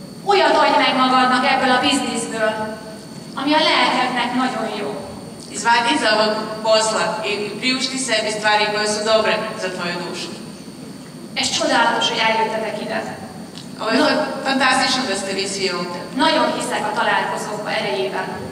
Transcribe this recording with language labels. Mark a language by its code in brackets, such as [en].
[hu] Olyat adj meg magadnak ebből a bizniszből, ami a lelkednek nagyon jó. [sr] Izvadi za ovog posla i priušti sebi stvari koje su dobre za tvoju dušu. [hu] Ez csodálatos, hogy eljöttetek ide. [sr] Ovo je fantastično da ste vi svi ovdje. [hu] Nagyon hiszek a találkozókba erejében.